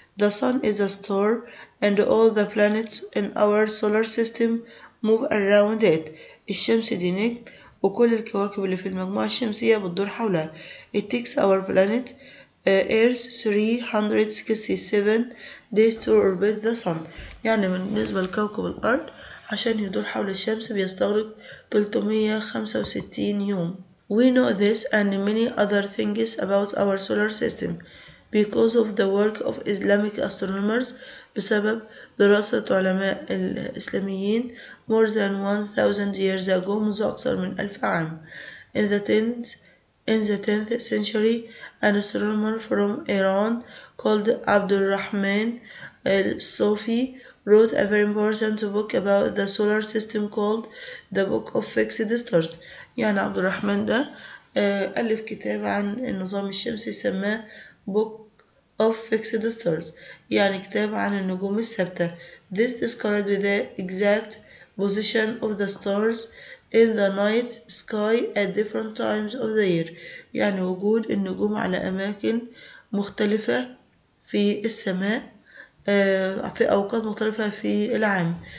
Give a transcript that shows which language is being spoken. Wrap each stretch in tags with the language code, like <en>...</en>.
<en>The sun is a star and all the planets in our solar system move around it.</en> <ar>الشمس دي نجم وكل الكواكب اللي في المجموعة الشمسية بتدور حولها.</ar> <en>It takes our planet Earth 367 days to orbit the sun.</en> <ar>يعني بالنسبة لكوكب الأرض عشان يدور حول الشمس بيستغرق 365 يوم.</ar> <en>We know this and many other things about our solar system because of the work of Islamic astronomers.</en> <ar>بسبب دراسة علماء الإسلاميين</ar> <en>more than 1000 years ago,</en> <ar>منذ أكثر من 1000 عام.</ar> <en>In the 10th century, an astronomer from Iran called Abdul Rahman Sufi wrote a very important book about the solar system called the Book of Fixed Stars.</en> <ar>يعني عبد الرحمن ده ألف كتاب عن النظام الشمسي سماه Book of Fixed Stars، يعني كتاب عن النجوم الثابتة.</ar> <en>This described the exact position of the stars in the night sky at different times of the year،</en> <ar>يعني وجود النجوم على أماكن مختلفة في السماء في أوقات مختلفة في العام.</ar>